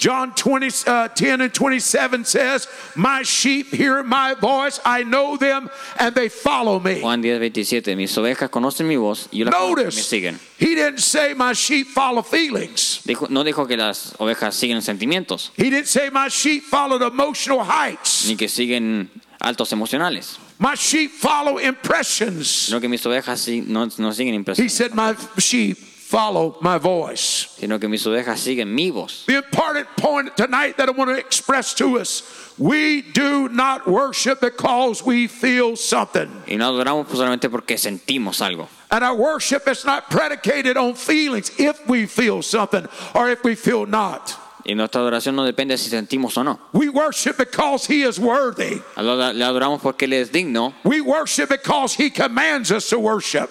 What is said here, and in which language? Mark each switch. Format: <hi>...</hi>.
<en>John 10:27 says, "My sheep hear my voice; I know them, and they follow me."</en> <es>Juan 10:27, mis ovejas conocen mi voz y me siguen.</es> <en>He didn't say my sheep follow feelings.</en> <es>No dijo que las ovejas siguen sentimientos.</es> <en>He didn't say my sheep followed emotional heights.</en> <es>Ni que siguen altos emocionales.</es> <en>My sheep follow impressions.</en> <es>No que mis ovejas no siguen impresiones.</es> <en>He said, "My sheep follow my voice."</en> <es>Sino que mis ovejas siguen mi voz.</es> <en>The important point tonight that I want to express to us: we do not worship because we feel something.</en> <es>Y no adoramos solamente porque sentimos algo.</es> <en>And our worship is not predicated on feelings. If we feel something or if we feel not.</en> <es>Y nuestra adoración no depende si sentimos o no.</es> <en>We worship because He is worthy.</en> <es>Le adoramos porque Él es digno.</es> <en>We worship because He commands us to worship.</en>